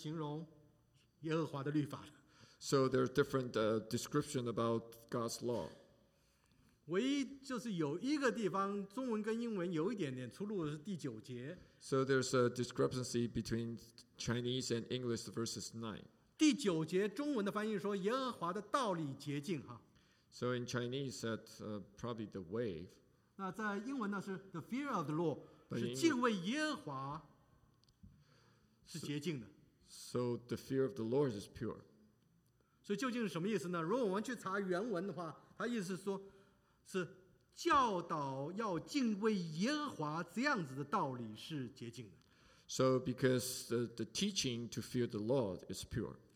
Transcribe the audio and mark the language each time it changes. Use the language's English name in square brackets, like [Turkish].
[Chinese] 有几个名词来形容耶和华的律法。 [English] So there are different descriptions about God's law. [Chinese] 唯一就是有一个地方中文跟英文有一点点出入的是第九节。 [English] So there's a discrepancy between Chinese and English verses 9. [Chinese] 第九节中文的翻译说耶和华的道理洁净。 [English] So in Chinese that probably the way. [Chinese] 那在英文呢是 [English] the fear of the law, [Chinese] 是敬畏耶和华是洁净的。 [English] So the fear of the Lord is pure. [Chinese] 所以究竟是什么意思呢？如果我们去查原文的话，他意思是说是教导要敬畏耶和华，这样子的道理是洁净的。 [English] So because the teaching to fear the Lord is pure.